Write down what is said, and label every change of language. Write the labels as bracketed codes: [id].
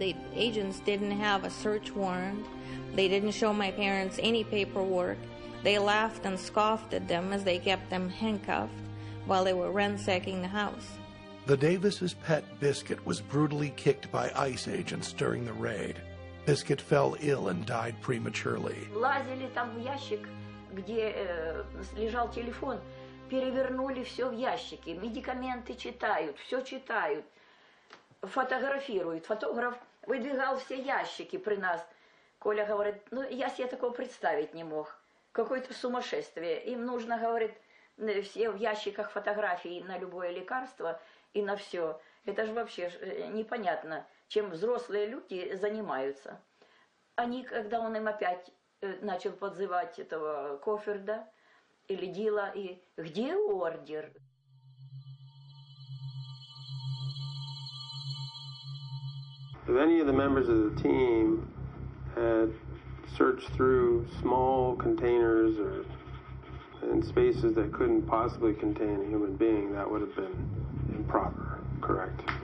[en] The agents didn't have a search warrant. They didn't show my parents any paperwork. They laughed and scoffed at them as they kept them handcuffed while they were ransacking the house. The Davis's pet Biscuit was brutally kicked by ICE agents during the raid. Biscuit fell ill and died prematurely. [ru] Лазили там в ящик, где лежал телефон, перевернули все в ящике, медикаменты читают, все читают, фотографируют. Фотограф выдвигал все ящики при нас. Коля говорит, ну я себе такого представить не мог. Какое-то сумасшествие. Им нужно, говорит, все в ящиках фотографии на любое лекарство и на все. Это же вообще непонятно, чем взрослые люди занимаются. они, когда он им опять начал подзывать этого Кофферда или Дила, и где ордер? [en] If any of the members of the team had searched through small containers or in spaces that couldn't possibly contain a human being, that would have been improper, correct?